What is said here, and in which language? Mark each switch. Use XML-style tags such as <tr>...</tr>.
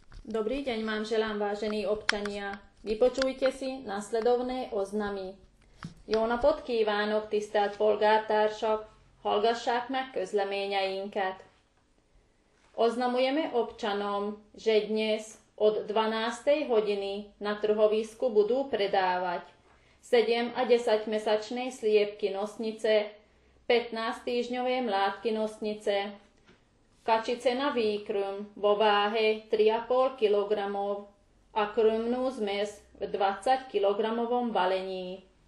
<sk>Dobrý deň vám želám, vážení občania. Vypočujte si nasledovné oznamy.</sk> <hu>Jónapot kívánok, tisztelt polgártársak, hallgassák meg közleményeinket.</hu> <sk>Oznamujeme občanom, že dnes od 12. hodiny na trhovisku budú predávať 7 a 10 mesačné sliepky nosnice, 15 týždňové mládky nosnice, kačice na výkrm vo váhe 3,5 kg a krmnú zmes v 20 kg balení.</sk>